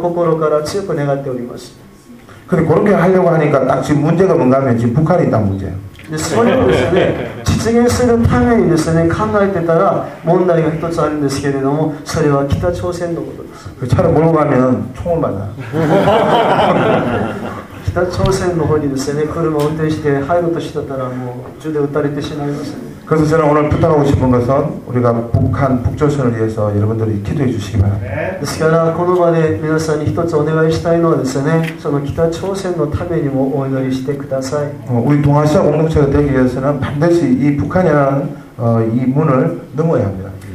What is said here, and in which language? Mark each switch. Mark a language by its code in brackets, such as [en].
[ja] 私はですね、まず私たちが本当にですね、真のコイノニア、国境を越える、民族を越える、そういう本当のコイノニアを作っていくこと、それを心から強く願っております。 [ko] 근데 그렇게 하려고 하니까 딱 지금 문제가 뭔가 하면 지금 북한이 있다는 문제예요. 네, 소련에서는 [ja] 実現するためにですね、考えてたら問題が一つあるんですけれども、それは北朝鮮のことです。 [ko] 차를 몰고 가면 총을 맞아. [ja] 北朝鮮の方にですね、車を運転して入ろうとしてたらもう銃で撃たれてしまいます。 [ko] 그래서 저는 오늘 부탁하고 싶은 것은 우리가 북한, 북조선을 위해서 여러분들이 기도해 주시기 바랍니다. [ja] ですから、この場で皆さんに一つお願いしたいのはですね、その北朝鮮のためにもお祈りしてください。 [ko] 우리 동아시아 공동체가 되기 위해서는 반드시 이 북한이라는 이 문을 넘어야 합니다.